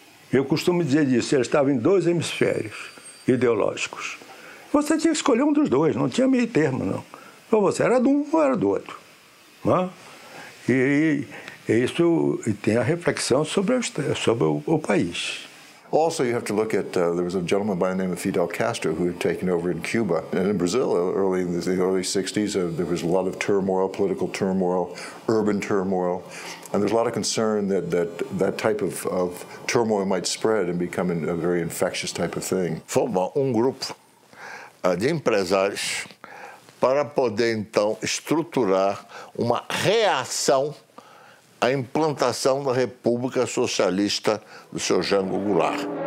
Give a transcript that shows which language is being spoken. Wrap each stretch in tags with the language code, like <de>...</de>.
<pt>Eu costumo dizer isso, ele estava em dois hemisférios ideológicos. Você tinha que escolher um dos dois, não tinha meio termo, não. Ou você era de um ou era do outro. Né? E isso e tem a reflexão sobre o país.</pt> <en>Also, you have to look at, there was a gentleman by the name of Fidel Castro who had taken over in Cuba. And in Brazil, early in the early 60s, there was a lot of turmoil, political turmoil, urban turmoil. And there's a lot of concern that type of turmoil might spread and become a very infectious type of thing.</en> <pt>Formar grupo de empresários para poder, então, estruturar uma reação a implantação da República Socialista do Sr. Jango Goulart.</pt>